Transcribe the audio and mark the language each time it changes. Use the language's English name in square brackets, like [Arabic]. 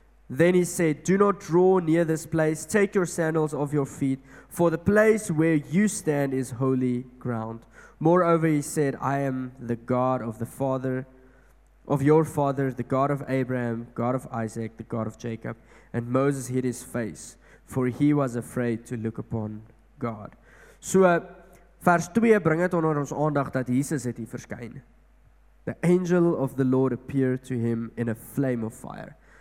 [English] Then he said, do not draw near this place. Take your sandals off your feet, for the place where you stand is holy ground. Moreover, he said, I am the God of the father, of your father, the God of Abraham, God of Isaac, the God of Jacob. And Moses hid his face, for he was afraid to look upon God. [Afrikaans] So, vers 2 bring het onder ons aandag dat Jesus het hier verskyn. [English] The angel of the Lord appeared to him in a flame of fire.